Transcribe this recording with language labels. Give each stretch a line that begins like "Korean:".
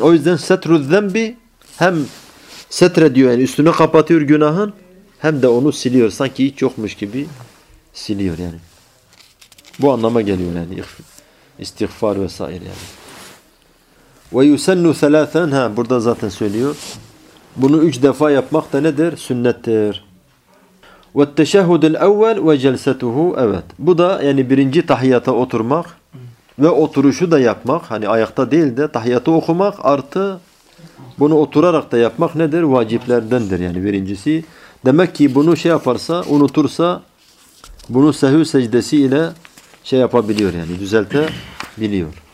Turkish: O yüzden setru zembi hem setrediyor yani üstünü kapatıyor günahın, hem de onu siliyor. Sanki hiç yokmuş gibi siliyor yani. Bu anlama geliyor yani. İstiğfar vesaire yani.
Arabic: وَيُسَنُّ ثَلَاثًا
Turkish: Ha, burada zaten söylüyor. Bunu üç defa yapmak da nedir? Sünnettir.
Arabic: وَالتَّشَهُدُ الْاَوَّلْ وَجَلْسَتُهُ
Turkish: Evet. Bu da yani birinci tahiyyata oturmak ve oturuşu da yapmak. Hani ayakta değil de tahiyyatı okumak artı bunu oturarak da yapmak nedir? Vaciplerdendir yani birincisi. Demek ki bunu şey yaparsa, unutursa bunu sehü secdesi ile şey yapabiliyor yani düzeltebiliyor.